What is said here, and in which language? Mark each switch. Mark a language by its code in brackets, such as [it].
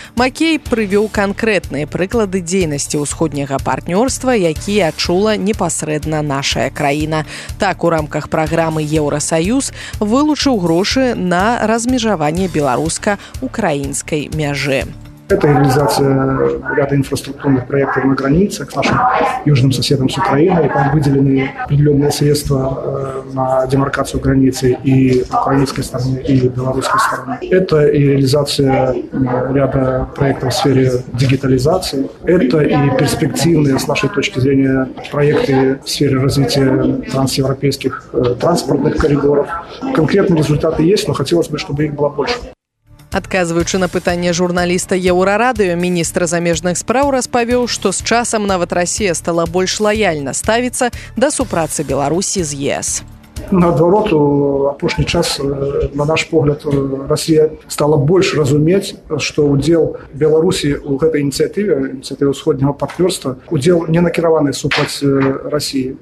[be] Макей прывёў канкрэтныя прыклады дзейнасці усходняга партнёрства, якія адчула непасрэдна нашая краіна. Так, у рамках праграмы Еўрасаюз вылучыў грошы на размежаванне беларуска-украінскай мяжы. [ru] Это реализация ряда инфраструктурных проектов на границах с нашим южным соседом с Украиной. Там выделены определенные средства на демаркацию границы и украинской стороны, и белорусской стороны. Это и реализация ряда проектов в сфере дигитализации. Это и перспективные, с нашей точки зрения, проекты в сфере развития трансевропейских транспортных коридоров. Конкретные результаты есть, но хотелось бы, чтобы их было больше. [be] Адказваючы на пытанне журналіста Еўрарадыё, міністр замежных спраў распавёў, што з часам нават Расія стала больш лаяльна ставіцца да супрацы Беларусі з ЕС. Наадварот, у апошні час, на наш погляд, Расія стала больш разумець, што ўдзел Беларусі ў гэтай ініцыятыве, ініцыятыве ўсходняга партнёрства, ўдзел не накіраваны супраць Расіі.